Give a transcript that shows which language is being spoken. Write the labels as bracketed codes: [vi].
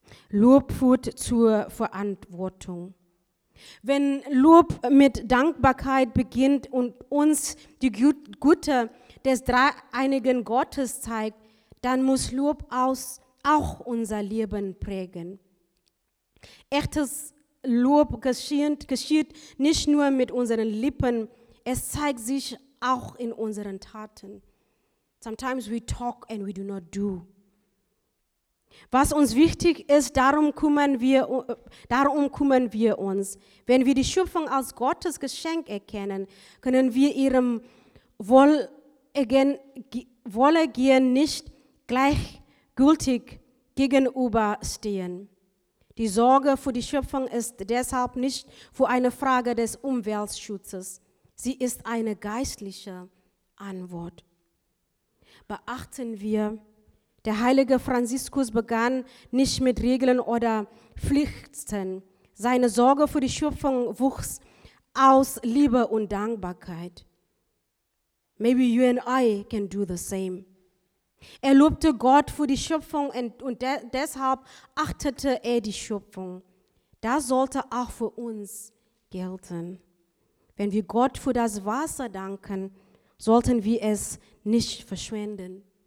[de] Lob führt zur Verantwortung. Wenn Lob mit Dankbarkeit beginnt und uns die Güte des dreieinigen Gottes zeigt, dann muss Lob auch unser Leben prägen. Echtes Lob geschieht nicht nur mit unseren Lippen, es zeigt sich auch in unseren Taten. [en] Sometimes we talk and we do not do. [de] Was uns wichtig ist, darum kümmern wir uns. Wenn wir die Schöpfung als Gottes Geschenk erkennen, können wir ihrem Wohlergehen nicht gleichgültig gegenüberstehen. Die Sorge für die Schöpfung ist deshalb nicht für eine Frage des Umweltschutzes. Sie ist eine geistliche Antwort. Beachten wir, der heilige Franziskus begann nicht mit Regeln oder Pflichten. Seine Sorge für die Schöpfung wuchs aus Liebe und Dankbarkeit. [en] Maybe you and I can do the same. [de] Er lobte Gott für die Schöpfung und deshalb achtete er die Schöpfung. Das sollte auch für uns gelten. Wenn wir Gott für das Wasser danken, sollten wir es nicht verschwenden.